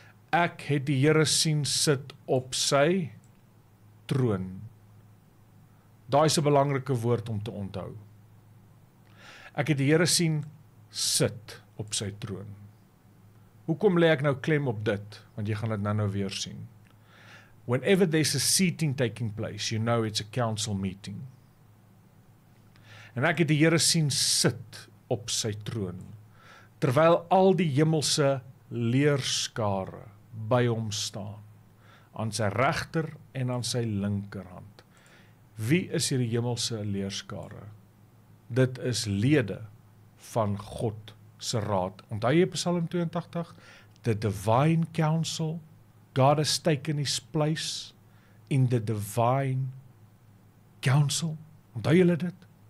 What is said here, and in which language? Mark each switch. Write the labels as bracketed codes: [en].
[af] Ek het die Here sien sit op sy troon. Daar is 'n belangrike woord om te onthou. Ek het die Here sien sit op sy troon. Hoekom lê ek nou klem op dit? Want jy gaan dit nou weer sien. [en] Whenever there's a seating taking place, you know it's a council meeting. [af] En ek het die Here sien sit op sy troon, terwyl al die hemelse leerskare by hom staan, aan sy regter en aan sy linkerhand. Wie is hierdie hemelse leerskare? Dit is lede van God se raad, onthou jy Psalm 82, [en] the divine counsel, God has taken his place in the divine counsel, [af] onthou jy dit?